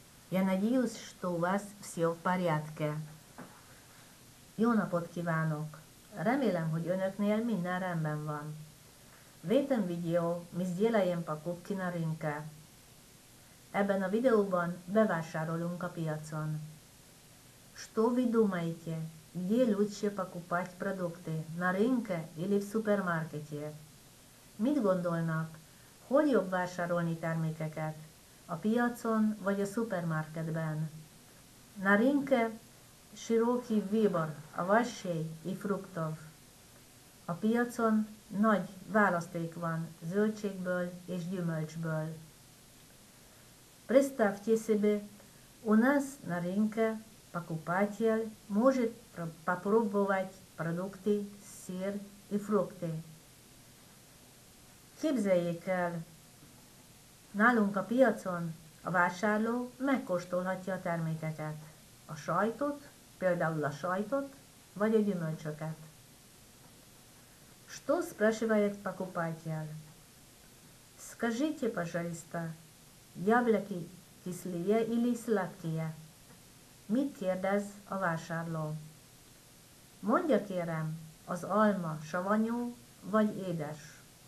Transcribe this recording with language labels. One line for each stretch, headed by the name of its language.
Russian: Я надеюсь, что у вас все в порядке.
Hungarian: Jó napot kívánok! Remélem, hogy önöknél minden rendben van.
Russian: В этом видео мы сделаем покупки на рынке.
Hungarian: Ebben a videóban bevásárolunk a piacon.
Russian: Что вы думаете? Где лучше покупать продукты, на рынке или в супермаркете?
Hungarian: Mit gondolnak? Hol jobb vásárolni termékeket? A piacon vagy a szupermarketben?
Russian: Na rynke široki výbor avassej i fruktov.
Hungarian: A piacon nagy választék van zöldségből és gyümölcsből.
Russian: Представьте себе, у нас на рынке покупатель может попробовать продукты, сыр и фрукты.
Hungarian: Képzeljék el, nálunk a piacon a vásárló megkóstolhatja a termékeket, a sajtot, például a sajtot, vagy a gyümölcsöket.
Russian: Что спрашивает покупатель? Скажите, пожалуйста, яблоки кислые или сладкие?
Hungarian: Mit kérdez a vásárló? Mondja kérem, az alma savanyú vagy édes?